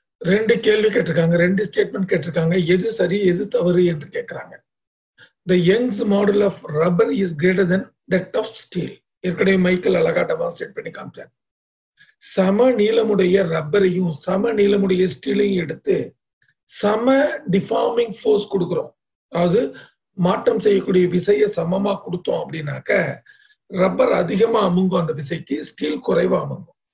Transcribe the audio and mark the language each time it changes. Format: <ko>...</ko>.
<ta>ரெண்டு கேள்வி கேட்டிருக்காங்க, ரெண்டு ஸ்டேட்மெண்ட் கேட்டிருக்காங்க, எது சரி எது தவறு என்று கேட்கிறாங்க.</ta> <en>The Young's modulus of rubber is greater than that of steel.</en> <ta>ஏற்கனவே மைக்கேல் அழகா டெமான்ஸ்ட்ரேட் பண்ணி காமிச்சார். சம நீளமுடைய ரப்பரையும் சம நீளமுடைய ஸ்டீலையும் எடுத்து சம டிஃபார்மிங் ஃபோர்ஸ் கொடுக்குறோம், அதாவது மாற்றம் செய்யக்கூடிய விசையை சமமா கொடுத்தோம் அப்படின்னாக்க ரப்பர் அதிகமா அமுங்கும் அந்த விசைக்கு, ஸ்டீல் குறைவா அமுங்கும்.</ta>